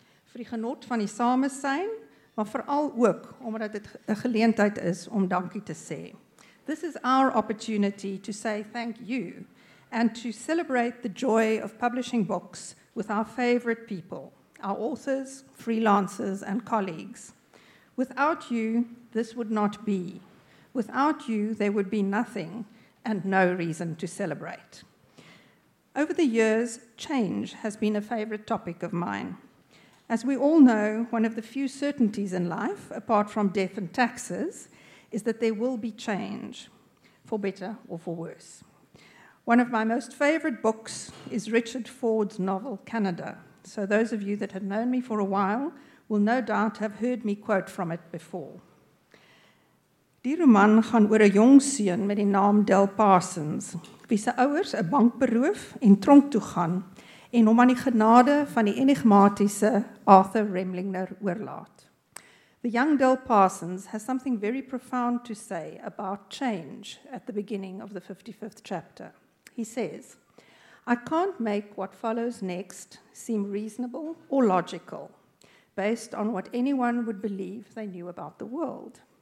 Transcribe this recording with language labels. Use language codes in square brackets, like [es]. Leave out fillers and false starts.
[af] Vir die genot van die samesyn, maar vooral ook omdat dit 'n geleentheid is om dankie te sê. [en] This is our opportunity to say thank you and to celebrate the joy of publishing books with our favorite people. Our authors, freelancers, and colleagues. Without you, this would not be. Without you, there would be nothing and no reason to celebrate. Over the years, change has been a favorite topic of mine. As we all know, one of the few certainties in life, apart from death and taxes, is that there will be change, for better or for worse. One of my most favorite books is Richard Ford's novel, Canada. So those of you that have known me for a while will no doubt have heard me quote from it before. [af] Die roman gaan oor 'n jong seun met die naam Del Parsons, wie se ouers 'n bank beroof en tronk toe gaan en hom aan die genade van die enigmatiese Arthur Remlinger oorlaat. [en] The young Del Parsons has something very profound to say about change at the beginning of the 55th chapter. He says, I can't make what follows next seem reasonable or logical, based on what anyone would believe they knew about the world.